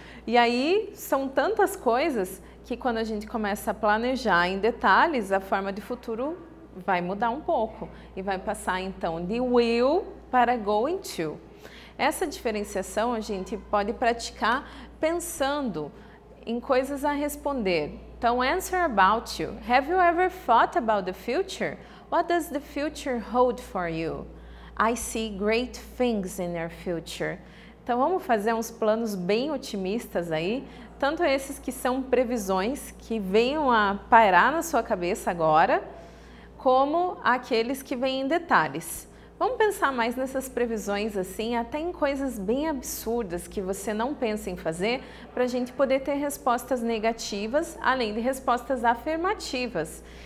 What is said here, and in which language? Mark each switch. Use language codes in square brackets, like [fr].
[pt] E aí são tantas coisas que quando a gente começa a planejar em detalhes, a forma de futuro vai mudar um pouco e vai passar então de will para going to. Essa diferenciação a gente pode praticar pensando em coisas a responder. Então, [en] answer about you. Have you ever thought about the future? What does the future hold for you? I see great things in your future. [pt] Então, vamos fazer uns planos bem otimistas aí, tanto esses que são previsões que venham a pairar na sua cabeça agora, como aqueles que vêm em detalhes. Vamos pensar mais nessas previsões assim, até em coisas bem absurdas que você não pensa em fazer, para a gente poder ter respostas negativas, além de respostas afirmativas.